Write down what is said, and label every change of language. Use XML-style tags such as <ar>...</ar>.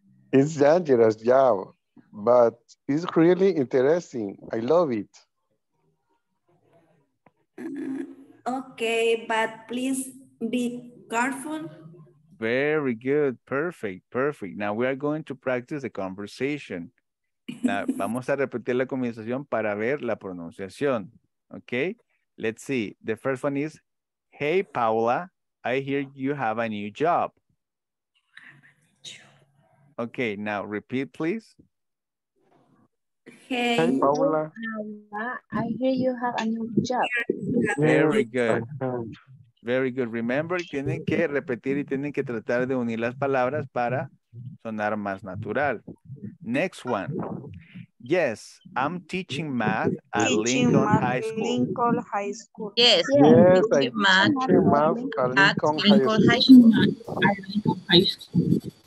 <en>It's dangerous job, but it's really interesting. I love it. Okay, but please be careful. Very good. Perfect. Perfect. Now we are going to practice the conversation. Now,</en> <es>vamos a repetir la conversación para ver la pronunciación.</es> <en>Okay, let's see. The first one is, hey, Paula, I hear you have a new job. Okay, now repeat, please. Hey, Paula, I hear you have a new job. Very good. Very good. Remember,</en> <es>tienen que repetir y tienen que tratar de unir las palabras para sonar más natural.</es> <en>Next one. Yes, I'm teaching math at Lincoln High School. Lincoln High School. Yes, yes, I'm teaching math at Lincoln High School.</en>